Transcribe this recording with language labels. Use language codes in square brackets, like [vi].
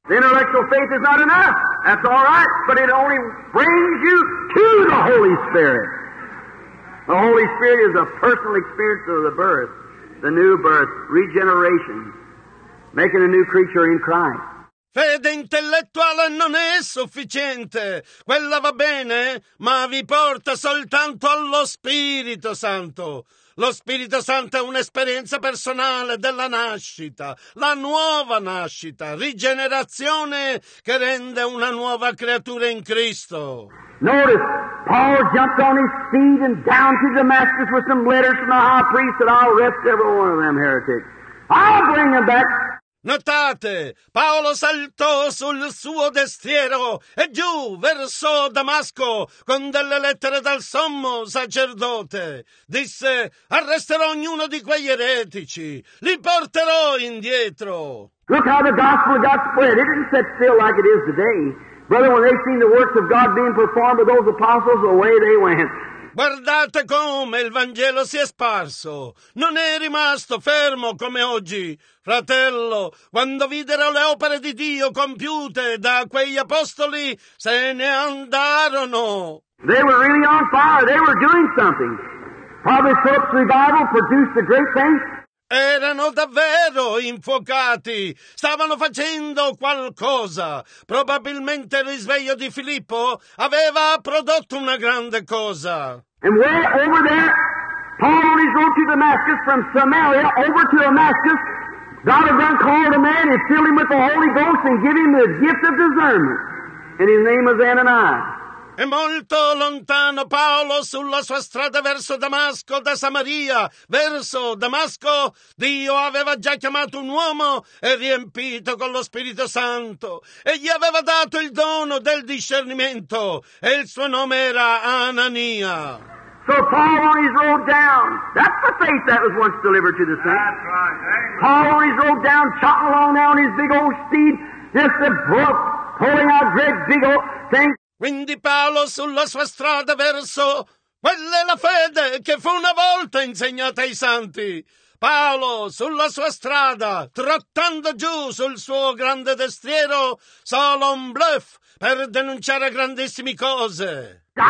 [en] Intellectual faith is not enough. That's all right, but it only brings you to the Holy Spirit. The Holy Spirit is a personal experience of the birth, the new birth, regeneration, making a new creature in Christ. [it] Fede intellettuale non è sufficiente. Quella va bene, ma vi porta soltanto allo Spirito Santo. Lo Spirito Santo è un'esperienza personale della nascita, la nuova nascita, rigenerazione che rende una nuova creatura in Cristo. [en] Notice, Paul jumped on his feet and down to Damascus with some letters from the high priest that I'll arrest every one of them heretics. I'll bring them back. [it] Notate, Paolo saltò sul suo destriero e giù verso Damasco con delle lettere dal sommo sacerdote. Disse, arresterò ognuno di quegli eretici, li porterò indietro. [en] Look how the gospel got spread. It didn't sit still like it is today. Brother, when they seen the works of God being performed by those apostles, away they went. [it] Guardate come il Vangelo si è sparso. Non è rimasto fermo come oggi. Fratello, quando videro le opere di Dio compiute da quegli apostoli, se ne andarono. [en] They were really on fire. They were doing something. Probably Philip's revival produced a great thing. [it] Erano davvero infuocati. Stavano facendo qualcosa. Probabilmente il risveglio di Filippo aveva prodotto una grande cosa. [en] And where, over there, Paul on his road to Damascus, from Samaria over to Damascus, God had then called a man and filled him with the Holy Ghost and give him the gift of discernment. And his name was Ananias. [it] E molto lontano Paolo sulla sua strada verso Damasco, da Samaria, verso Damasco, Dio aveva già chiamato un uomo e riempito con lo Spirito Santo. E gli aveva dato il dono del discernimento e il suo nome era Anania. [en] So Paul on his road down, that's the faith that was once delivered to the saints. That's right. Paul on his road down, chopping along now on his big old steed, just the brook, pulling out great big old things. [it] Quindi Paolo sulla sua strada verso... Quella è la fede che fu una volta insegnata ai santi. Paolo sulla sua strada, trottando giù sul suo grande destriero, solo un bluff per denunciare grandissime cose.